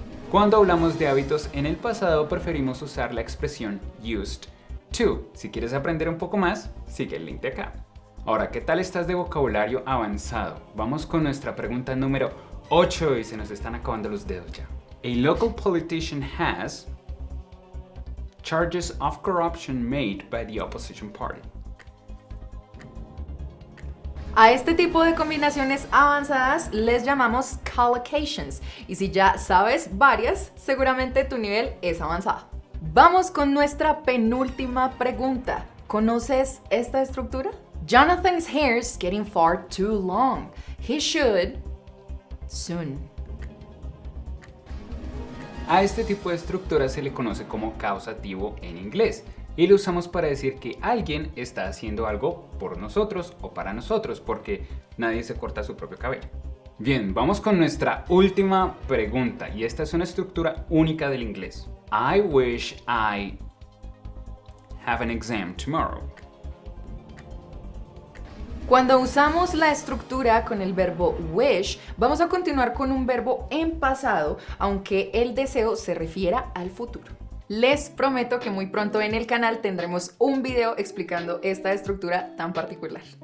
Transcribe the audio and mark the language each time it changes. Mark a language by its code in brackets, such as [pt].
[es] Cuando hablamos de hábitos en el pasado, preferimos usar la expresión used to. Si quieres aprender un poco más, sigue el link de acá. Ahora, ¿qué tal estás de vocabulario avanzado? Vamos con nuestra pregunta número 8 y se nos están acabando los dedos ya. [en] A local politician has charges of corruption made by the opposition party. [es] A este tipo de combinaciones avanzadas les llamamos collocations. Y si ya sabes varias, seguramente tu nivel es avanzado. Vamos con nuestra penúltima pregunta. ¿Conoces esta estructura? [en] Jonathan's hair is getting far too long. He should soon. [es] A este tipo de estructura se le conoce como causativo en inglés. Y lo usamos para decir que alguien está haciendo algo por nosotros o para nosotros, porque nadie se corta su propio cabello. Bien, vamos con nuestra última pregunta. Y esta es una estructura única del inglés. [en] I wish I have an exam tomorrow. [es] Cuando usamos la estructura con el verbo wish, vamos a continuar con un verbo en pasado, aunque el deseo se refiera al futuro. Les prometo que muy pronto en el canal tendremos un video explicando esta estructura tan particular.